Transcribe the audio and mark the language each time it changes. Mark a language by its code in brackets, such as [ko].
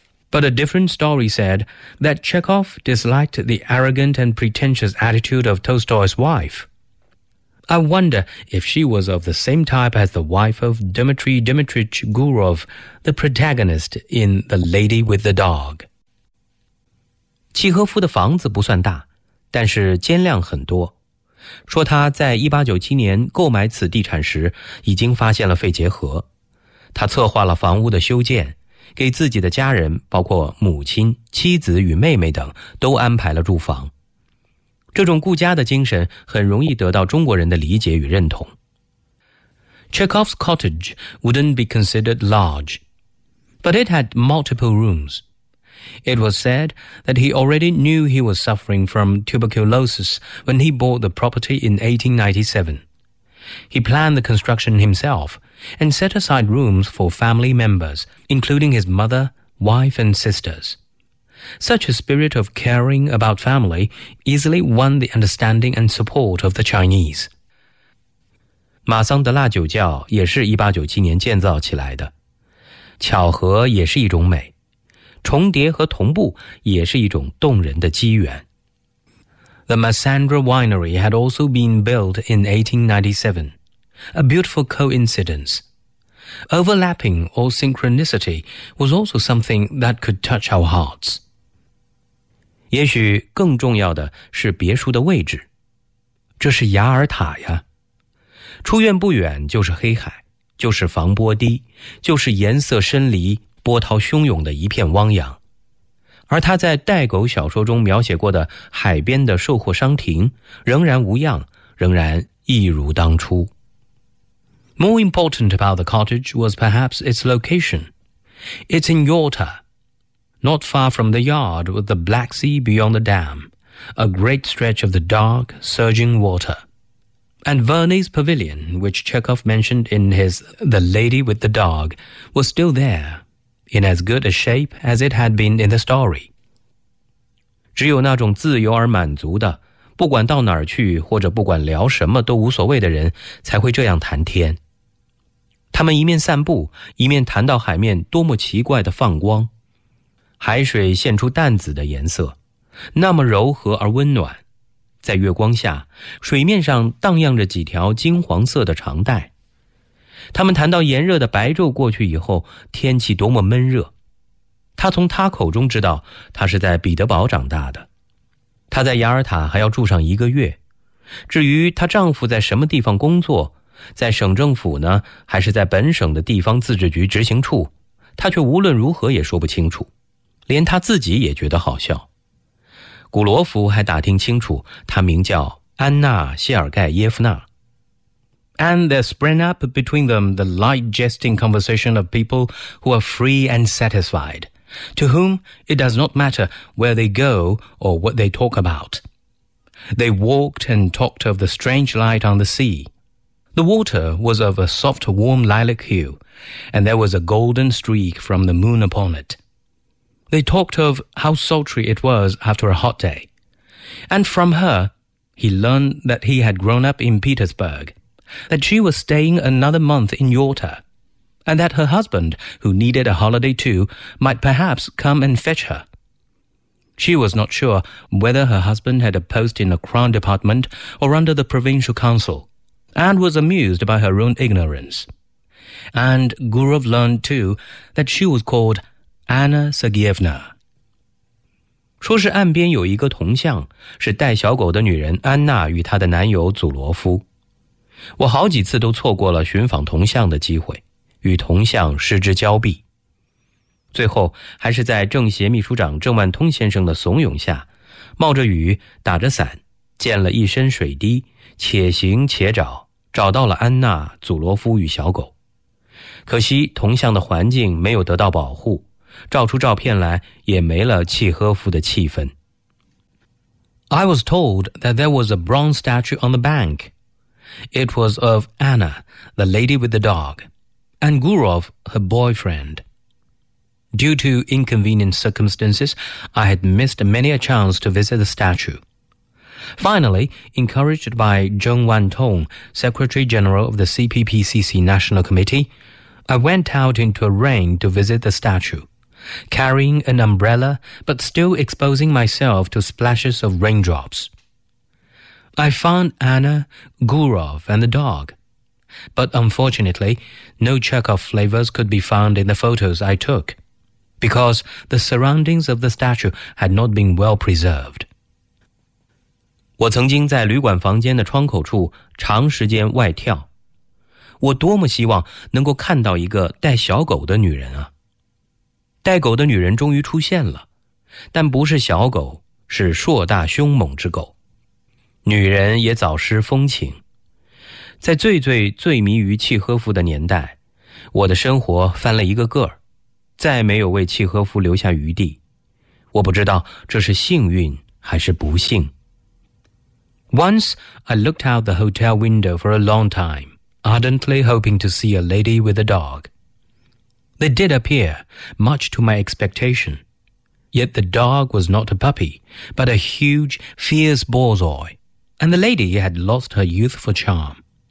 [en] But a different story said that Chekhov disliked the arrogant and pretentious attitude of Tolstoy's wife. I wonder if she was of the same type as the wife of Dmitri Dmitrich Gurov, the protagonist in The Lady with the Dog. [zh] 契诃夫的房子不算大，但是间量很多。说他在1897年购买此地产时，已经发现了肺结核。他策划了房屋的修建，给自己的家人，包括母亲、妻子与妹妹等，都安排了住房。这种顾家的精神很容易得到中国人的理解与认同。 [en] Chekhov's cottage wouldn't be considered large, but it had multiple rooms. It was said that he already knew he was suffering from tuberculosis when he bought the property in 1897. He planned the construction himself and set aside rooms for family members, including his mother, wife and sisters. Such a spirit of caring about family easily won the understanding and support of the Chinese. [zh] 马桑德拉酒窖也是1897年建造起来的。巧合也是一种美，重叠和同步也是一种动人的机缘。 [en] The Massandra Winery had also been built in 1897, a beautiful coincidence. Overlapping or synchronicity was also something that could touch our hearts. [zh] 也许更重要的是别墅的位置。这是雅尔塔呀。出院不远就是黑海，就是防波堤，就是颜色深离、波涛汹涌的一片汪洋。而他在带狗小说中描写过的海边的售货商亭仍然无恙，仍然一如当初。 [en] More important about the cottage was perhaps its location. It's in Yalta. Not far from the yard with the Black Sea beyond the dam, a great stretch of the dark, surging water. And Verney's pavilion, which Chekhov mentioned in his The Lady with the Dog, was still there, in as good a shape as it had been in the story. [zh] 只有那种自由而满足的，不管到哪儿去或者不管聊什么都无所谓的人，才会这样谈天。他们一面散步，一面谈到海面多么奇怪的放光。海水现出淡紫的颜色，那么柔和而温暖，在月光下，水面上荡漾着几条金黄色的长带。他们谈到炎热的白昼过去以后，天气多么闷热。他从他口中知道，他是在彼得堡长大的。他在雅尔塔还要住上一个月。至于她丈夫在什么地方工作，在省政府呢，还是在本省的地方自治局执行处，他却无论如何也说不清楚。连他自己也觉得好笑。古罗夫还打听清楚，他名叫安娜·谢尔盖耶夫娜。 [en] And there sprang up between them the light jesting conversation of people who are free and satisfied, to whom it does not matter where they go or what they talk about. They walked and talked of the strange light on the sea. The water was of a soft warm lilac hue, and there was a golden streak from the moon upon it. They talked of how sultry it was after a hot day. And from her, he learned that he had grown up in Petersburg, that she was staying another month in Yalta, and that her husband, who needed a holiday too, might perhaps come and fetch her. She was not sure whether her husband had a post in the Crown Department or under the Provincial Council, and was amused by her own ignorance. And Gurov learned too that she was calledAnna Sergeyevna. [zh] 说是岸边有一个铜像，是带小狗的女人安娜与她的男友祖罗夫。我好几次都错过了寻访铜像的机会，与铜像失之交臂。最后还是在政协秘书长郑万通先生的怂恿下，冒着雨打着伞，溅了一身水滴，且行且找，找到了安娜、祖罗夫与小狗。可惜铜像的环境没有得到保护，照出照片来也没了契诃夫的气氛。 [en] I was told that there was a bronze statue on the bank. It was of Anna, the lady with the dog, and Gurov, her boyfriend. Due to inconvenient circumstances, I had missed many a chance to visit the statue. Finally, encouraged by Zheng Wantong, Secretary General of the CPPCC National Committee, I went out into a rain to visit the statue, carrying an umbrella but still exposing myself to splashes of raindrops. I found Anna, Gurov, and the dog. But unfortunately, no Chekhov flavors could be found in the photos I took, because the surroundings of the statue had not been well preserved. [zh] 我曾经在旅馆房间的窗口处长时间外跳。我多么希望能够看到一个带小狗的女人啊。带狗的女人终于出现了，但不是小狗，是硕大凶猛之狗。女人也早失风情。在最最最迷于契诃夫的年代，我的生活翻了一个个儿，再没有为契诃夫留下余地。我不知道这是幸运还是不幸。 [en] Once I looked out the hotel window for a long time, ardently hoping to see a lady with a dog. They did appear, much to my expectation. Yet the dog was not a puppy, but a huge, fierce borzoi, and the lady had lost her youthful charm.